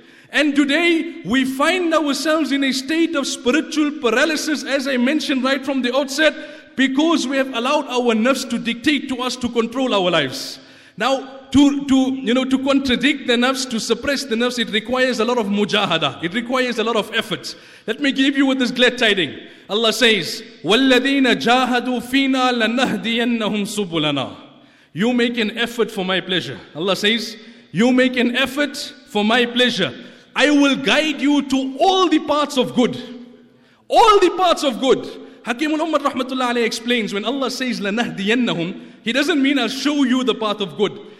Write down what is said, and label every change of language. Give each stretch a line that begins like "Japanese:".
English: And today, we find ourselves in a state of spiritual paralysis, as I mentioned right from the outset, because we have allowed our nafs to dictate to us, to control our lives. Now, to contradict the nafs, to suppress the nafs, it requires a lot of mujahada. It requires a lot of effort. Let me give you with this glad tiding. Allah says,
Arabic: وَالَّذِينَ جَاهَدُوا فِينَا لَنَهْدِيَنَّهُمْ سُبُلَنَا.
English: You make an effort for my pleasure. Allah says, you make an effort for my pleasure. I will guide you to all the paths of good. All the paths of good. Hakim al-Ummat rahmatullah alayhi explains, when Allah says لَنَهْدِيَنَّهُمْ, He doesn't mean I'll show you the path of good.